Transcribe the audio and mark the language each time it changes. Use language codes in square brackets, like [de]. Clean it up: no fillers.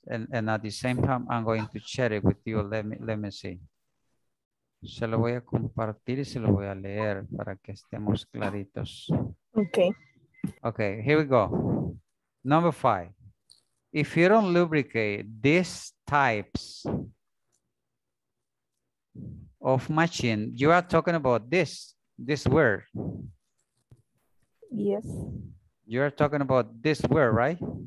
[en] And at the same time, I'm going to share it with you. Let me see. [es] Se lo voy a compartir y se lo voy a leer para que estemos claritos. [en] Okay. Okay, here we go. Number 5. If you don't lubricate these types of machine, you are talking about this word. Yes. You are talking about this word, right?